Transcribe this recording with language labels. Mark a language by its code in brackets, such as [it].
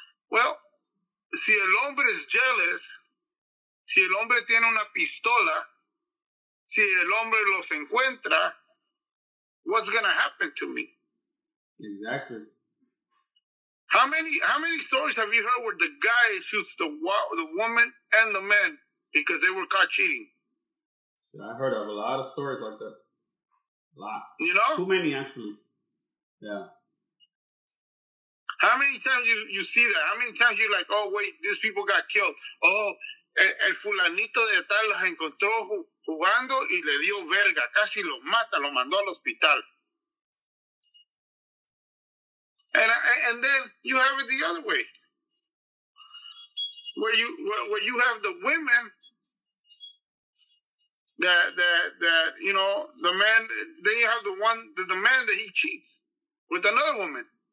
[en] Well, [es] si el hombre [en] is jealous, [es] si el hombre tiene una pistola, si el hombre los encuentra, [en] what's gonna happen to me? Exactly. How many stories have you heard where the guy shoots the woman and the man because they were caught cheating? See, I heard of a lot of stories like that. A lot. You know? Too many, actually. Yeah. How many times you see that? How many times you're like, oh, wait, these people got killed. [es] Oh, el fulanito de tal los encontró jugando y le dio verga. Casi lo mata, lo mandó al hospital. [en] And then you have it the other way. where you have the women that you know, the man, then you have the man that he cheats with another woman.